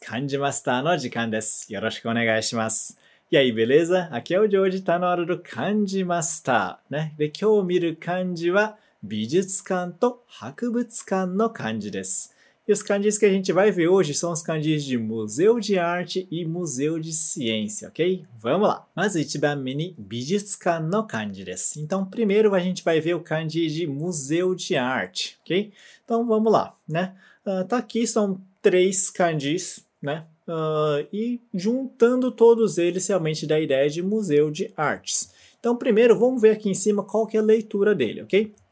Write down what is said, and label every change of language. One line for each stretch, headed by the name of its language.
Japanese: 漢字マスターの時間です。よろしくお願いします。
Portuguese: いや、beleza? Aqui é o Jorge Tanoaru, 漢字マスター。ね。
Japanese: で、今日見る漢字は、美術館と博物館の漢字です。
Portuguese: E os kanjis que a gente vai ver hoje são os kanjis de Museu de Arte e Museu de Ciência, ok? Vamos lá! Mas o
Japanese: 1番目に美術館の漢字です。
Portuguese: Então, primeiro a gente vai ver o kanji de Museu de Arte, ok? Então, vamos lá, né? Tá aqui, são três kanjis, né? E juntando todos eles, realmente dá a ideia de Museu de Artes. Então, primeiro, vamos ver aqui em cima qual que é a leitura dele, ok?